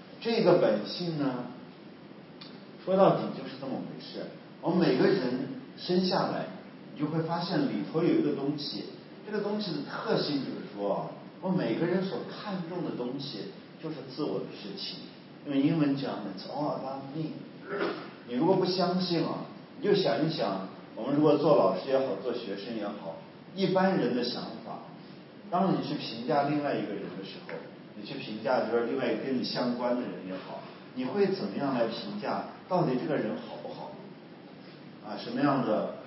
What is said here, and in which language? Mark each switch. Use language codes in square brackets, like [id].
[zh] 这个本性呢，说到底就是这么回事。我们每个人生下来，你就会发现里头有一个东西，这个东西的特性就是说，我们每个人所看重的东西就是自我的事情。用英文讲 ， [en] It's all about me。 [zh] 你如果不相信啊，你就想一想，我们如果做老师也好，做学生也好，一般人的想法，当你去评价另外一个人的时候，你去评价就是另外一个跟你相关的人也好，你会怎么样来评价到底这个人好不好啊？什么样的？